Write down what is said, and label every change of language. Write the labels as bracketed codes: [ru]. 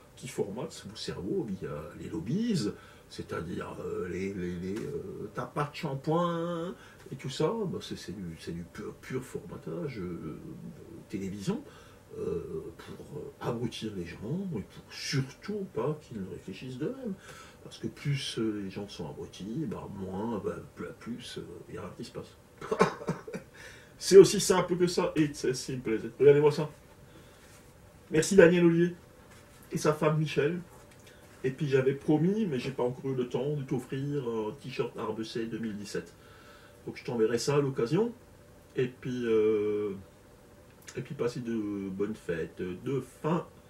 [fr] Qui formatent vos cerveaux via les lobbies, c'est-à-dire les t'as pas de shampoing et tout ça, bah c'est du pur formatage télévision pour abrutir les gens et pour surtout pas qu'ils ne réfléchissent d'eux-mêmes. Parce que plus les gens sont abrutis, plus il y a rien qui se passe. C'est aussi simple que ça, [en] it's as simple as it. [fr] Regardez-moi ça. Merci Daniel Ollier. Et sa femme Michel. Et puis j'avais promis, mais j'ai pas encore eu le temps, de t'offrir un t-shirt Arbecey 2017. Donc je t'enverrai ça à l'occasion. Et puis passez de bonnes fêtes de fin